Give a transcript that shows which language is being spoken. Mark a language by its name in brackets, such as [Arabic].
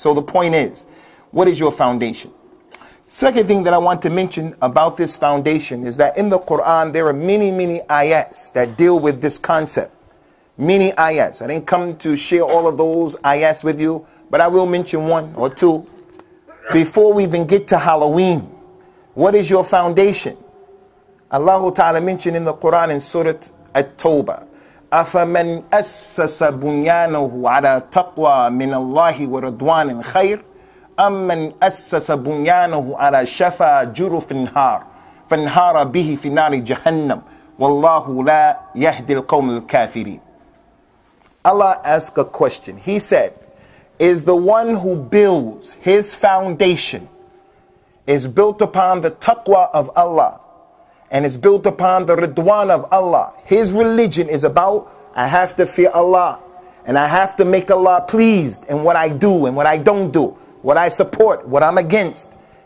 [English] So the point is, what is your foundation? Second thing that I want to mention about this foundation is that in the Quran, there are many, many ayats that deal with this concept. Many ayats. I didn't come to share all of those ayats with you, but I will mention one or two. Before we even get to Halloween, what is your foundation? Allah Ta'ala mentioned in the Quran in Surah At-Tawbah, [Arabic] أَفَمَنْ أَسَّسَ بُنْيَانَهُ عَلَى تَقْوَى مِنَ اللَّهِ وَرَضْوَانٍ خَيْرٍ أَمَّنْ أَسَّسَ بُنْيَانَهُ عَلَى شَفَى جُرُفٍ هَارٍ فَانْهَارَ بِهِ فِي نَارِ جَهَنَّمْ وَاللَّهُ لَا يَهْدِي الْقَوْمِ الْكَافِرِينَ. [English] Allah asked a question. He said, is the one who builds his foundation is built upon the taqwa of Allah and is built upon the ridwan of Allah. His religion is about, I have to fear Allah and I have to make Allah pleased in what I do and what I don't do, what I support, what I'm against.